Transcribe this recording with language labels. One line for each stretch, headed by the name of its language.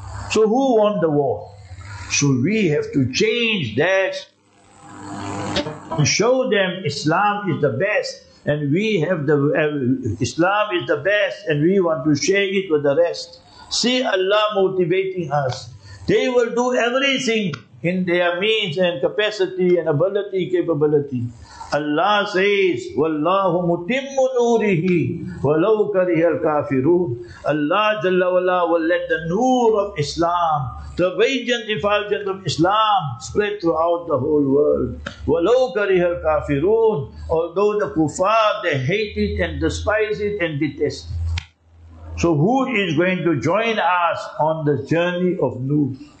English: So who won the war? So we have to change that and show them Islam is the best, and we have the Islam is the best, and we want to share it with the rest. See Allah motivating us. They will do everything in their means and capacity and ability, capability. Allah says,
Arabic: وَاللَّهُ مُتِمُّ نُورِهِ وَلَوْ كَرِهَ الْكَافِرُونَ.
English: Allah Jalla Wala will let the noor of Islam, the radiant effulgence of Islam, spread throughout the whole world.
Arabic: وَلَوْ كَرِهَ الْكَافِرُونَ.
English: Although the kuffar, they hate it and despise it and detest it. So who is going to join us on the journey of noor?